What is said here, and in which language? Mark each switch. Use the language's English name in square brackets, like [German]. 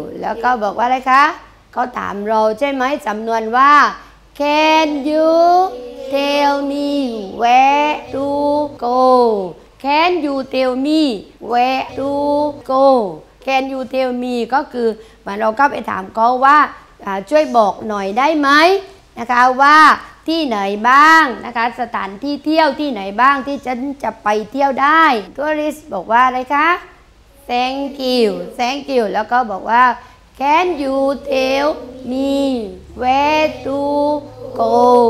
[Thai] แล้วก็บอกว่าอะไรคะเขาถามเราใช่ไหมสำนวนว่า [English] Can you tell me where to go? Can you tell me where to go? Can you tell me? [Thai] ก็คือมันเราก็ไปถามเขาว่าช่วยบอกหน่อยได้ไหมนะคะว่าที่ไหนบ้างนะคะสถานที่เที่ยวที่ไหนบ้างที่ฉันจะไปเที่ยวได้ Tourist บอกว่าอะไรคะ Thank you แล้วก็บอกว่า [English] Can you tell me where to go?